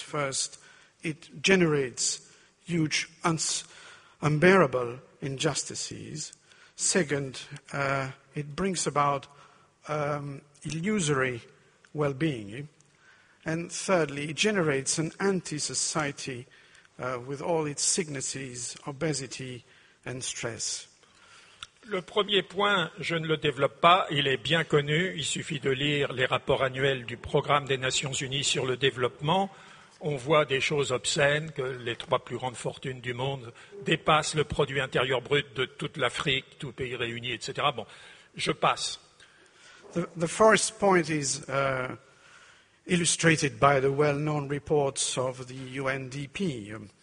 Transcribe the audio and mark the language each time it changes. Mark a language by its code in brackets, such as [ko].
[en] First, it generates huge, unbearable injustices. Second, it brings about illusory well-being. And thirdly, it generates an anti-society with all its sicknesses, obesity and stress. [fr] Le premier point, je ne le développe pas, il est bien connu. Il suffit de lire les rapports annuels du Programme des Nations Unies sur le développement. On voit des choses obscènes, que les trois plus grandes fortunes du monde dépassent le produit intérieur brut de toute l'Afrique, tous pays réunis, etc. Bon, je passe. [en] The first point is illustrated by the well-known reports of the UNDP.